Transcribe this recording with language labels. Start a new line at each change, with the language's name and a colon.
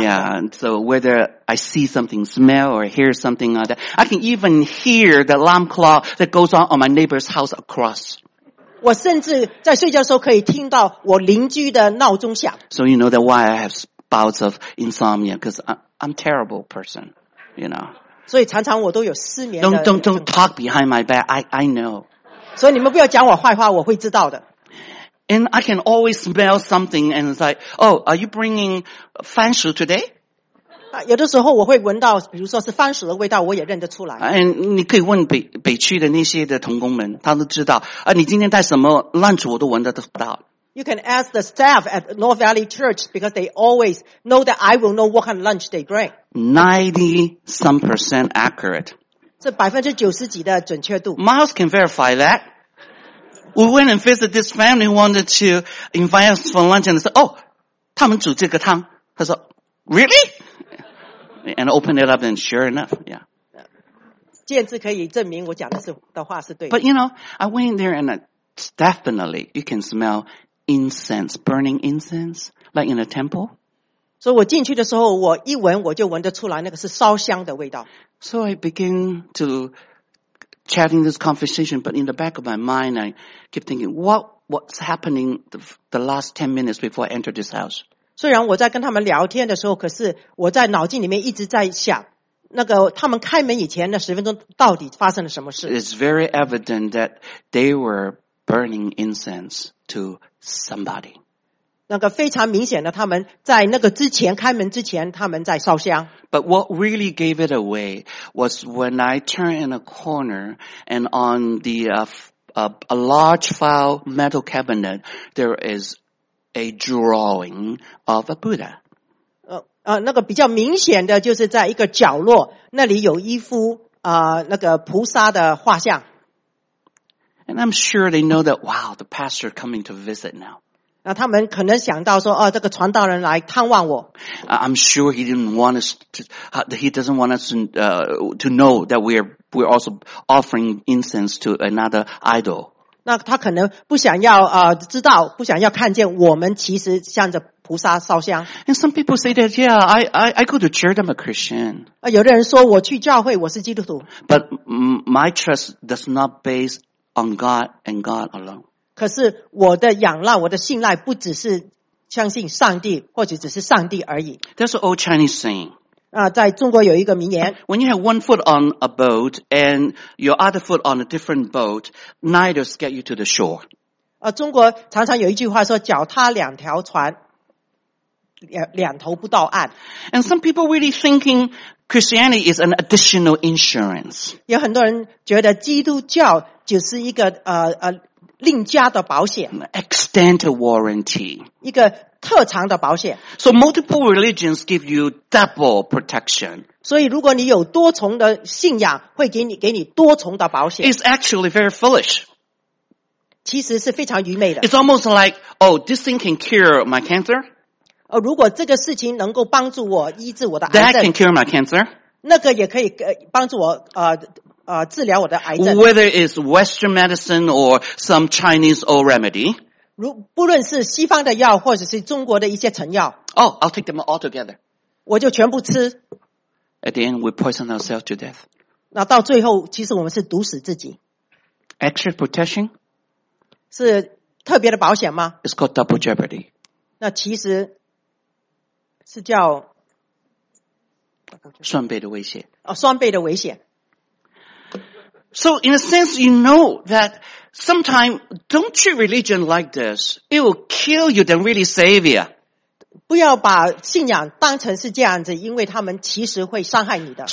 English: Yeah, so whether I see something, smell or hear something like that. I can even hear the alarm clock that goes on my neighbor's house across.
Chinese: 我甚至在睡觉的时候可以听到我邻居的闹钟响。
English: So you know that why I have bouts of insomnia, because I'm a terrible person, you know.
Chinese: 所以常常我都有失眠的。
English: Don't talk behind my back, I know.
Chinese: 所以你们不要讲我坏话，我会知道的。
English: And I can always smell something and it's like, oh, are you bringing 番薯 today?
Chinese: 有的时候我会闻到比如说是番薯的味道，我也认得出来。 And 你可以问北区的那些的同工们，他都知道，你今天带什么 lunch 我都闻得到。
English: You can ask the staff at North Valley Church because they always know that I will know what kind of lunch they bring. 90-some% accurate.
Chinese: 是90%几的准确度。
English: Miles can verify that. We went and visited this family who wanted to invite us for lunch and said, oh,
Chinese: 他们煮这个汤。他说
English: really? And opened it up and sure enough, yeah.
Chinese: 见证可以证明我讲的话是对的。
English: But you know, I went there and definitely you can smell incense, burning incense, like in a temple.
Chinese: 所以我进去的时候我一闻我就闻得出来那个是烧香的味道。
English: So I begin to... chatting this conversation, but in the back of my mind, I keep thinking, what's happening the last 10 minutes before I enter this house?
Chinese: 虽然我在跟他们聊天的时候，可是我在脑筋里面一直在想，那个他们开门以前的十分钟到底发生了什么事？
English: It's very evident that they were burning incense to somebody.
Chinese: 那个非常明显的，他们在那个之前，开门之前，他们在烧香。
English: But what really gave it away was when I turned in a corner and on the, a large file metal cabinet, there is a drawing of a Buddha.
Chinese: 那个比较明显的就是在一个角落，那里有一幅那个菩萨的画像。
English: And I'm sure they know that, wow, the pastor coming to visit now.
Chinese: 那他们可能想到说，哦，这个传道人来探望我。
English: I'm sure he didn't want us to, he doesn't want us to know that we're also offering incense to another idol.
Chinese: 那他可能不想要知道，不想要看见我们其实向着菩萨烧香。
English: And some people say that, yeah, I go to church, I'm a Christian.
Chinese: 有的人说我去教会，我是基督徒。
English: But my trust does not base on God and God alone.
Chinese: 可是我的仰赖，我的信赖不只是相信上帝，或者只是上帝而已。
English: That's an old Chinese saying.
Chinese: 在中国有一个名言。
English: When you have one foot on a boat and your other foot on a different boat, neither get you to the shore.
Chinese: 中国常常有一句话说，脚踏两条船，两头不到岸。
English: And some people really thinking Christianity is an additional insurance.
Chinese: 有很多人觉得基督教就是一个另加的保险
English: extended warranty
Chinese: 一个特长的保险
English: so multiple religions give you double protection
Chinese: 所以如果你有多重的信仰会给你多重的保险
English: it's actually very foolish
Chinese: 其实是非常愚昧的
English: it's almost like oh this thing can cure my cancer
Chinese: 如果这个事情能够帮助我医治我的癌
English: 症 that can cure my cancer
Chinese: 那个也可以帮助我治疗我的癌症
English: whether it's Western medicine or some Chinese old remedy
Chinese: 不论是西方的药或者是中国的一些成药。
English: Oh, I'll take them all together.
Chinese: 我就全部吃。
English: At the end, we poison ourselves to death.
Chinese: 那到最后，其实我们是毒死自己。
English: Extra protection?
Chinese: 是特别的保险吗
English: ？It's called double jeopardy.
Chinese: 那其实是叫双倍的威胁。哦，双倍的威胁。
English: So in a sense, you know that sometimes don't treat religion like this. It will kill you than really save you.
Chinese: 不要把信仰当成是这样子，因为他们其实会伤害你的。